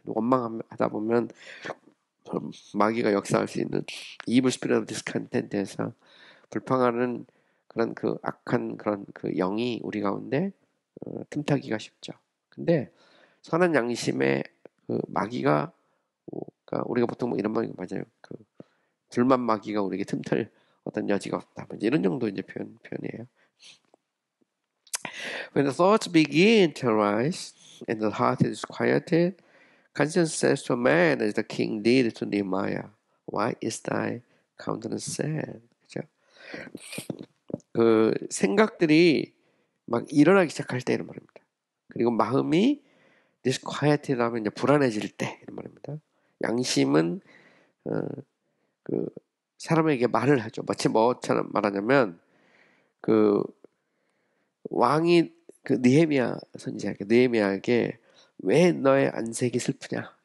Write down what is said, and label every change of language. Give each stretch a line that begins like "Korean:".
Korean: 원망하다 보면 마귀가 역사할 수 있는
English: evil spirit of discontent
Korean: 에서 불평하는 그런 그 악한 그런 그 영이 우리 가운데 틈타기가 쉽죠. 근데 선한 양심에 그 마귀가, 그러니까 우리가 보통 뭐 이런 말이 맞아요. 그 불만 마귀가 우리에게 틈틀 어떤 여지가 없다. 이런 정도 이제 표현이에요.
English: When the thoughts begin to rise and the heart is quieted, conscience says to man as the king did to Nehemiah, Why is thy countenance sad?
Korean: 그 생각들이 막 일어나기 시작할 때 이런 말입니다. 그리고 마음이 disquieted 하면 이제 불안해질 때 이런 말입니다. 양심은 그 사람에게 말을 하죠. 마치 뭐처럼 말하냐면 그 왕이 그 느헤미야 선지자에게 느헤미야에게 왜 너의 안색이 슬프냐?